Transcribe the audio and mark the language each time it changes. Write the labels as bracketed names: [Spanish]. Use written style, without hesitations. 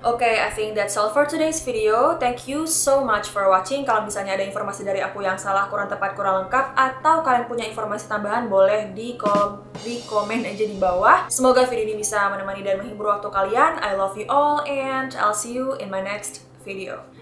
[English] Okay, I think that's all for today's video. Thank you so much for watching. [Indonesian] Kalau misalnya ada informasi dari aku yang salah, kurang tepat, kurang lengkap, atau kalian punya informasi tambahan, boleh di komen aja di bawah. Semoga video ini bisa menemani dan menghibur waktu kalian. [English] I love you all and I'll see you in my next video.